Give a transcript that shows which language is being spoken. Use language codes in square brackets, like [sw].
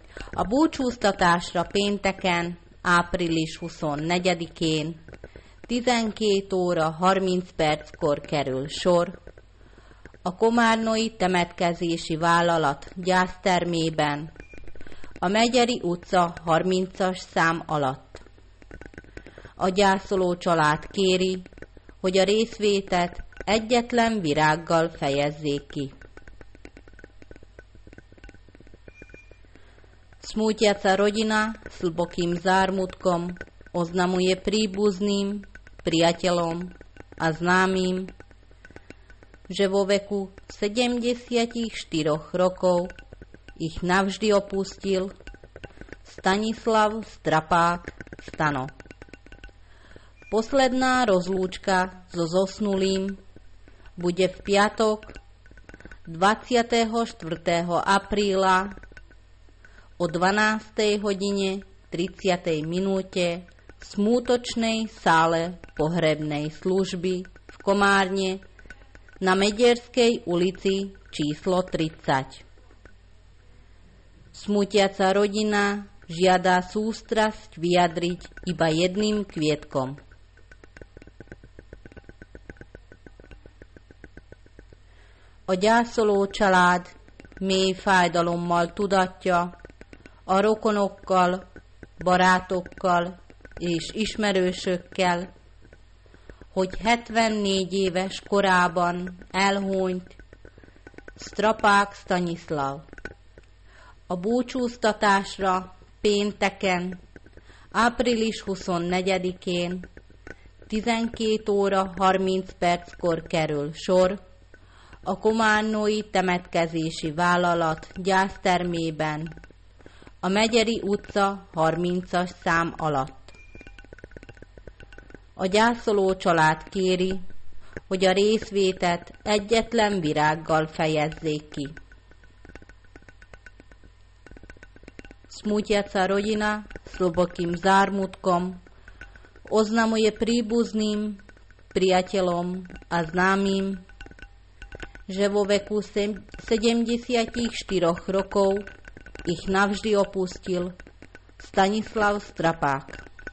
[hu] A búcsúztatásra pénteken, április 24-én, 12 óra 30 perckor kerül sor a Komárnói temetkezési vállalat gyásztermében, a Megyeri utca 30-as szám alatt. A gyászoló család kéri, hogy a részvétet egyetlen virággal fejezzék ki. [sk] Smutyaca rodina, szlbokim zármutkom, oznamuje príbuzným, priateľom a známym, že vo veku 74 rokov ich navždy opustil Stanislav Strapák Stano. Posledná rozlúčka so zosnulým bude v piatok 24. apríla o 12. hodine 30. minúte v smútočnej sále pohrebnej služby v Komárne na Medierskej ulici číslo 30. Smutiaca rodina žiada sústrasť vyjadriť iba jedným kvietkom. [hu] A gyászoló család mély fájdalommal tudatja, a rokonokkal, barátokkal és ismerősökkel, hogy 74 éves korában elhunyt Strapák Stanislav. A búcsúztatásra pénteken, április 24-én, 12 óra 30 perckor kerül sor a Komárnói temetkezési vállalat gyásztermében, a Megyeri utca 30-as szám alatt. A gyászoló család kéri, hogy a részvétet egyetlen virággal fejezzék ki. [sk] Smutyaca rodina, slobokým zármutkom, oznamuje príbuzným, priateľom a známym, že vo veku 74 rokov ich navždy opustil Stanislav Strapák.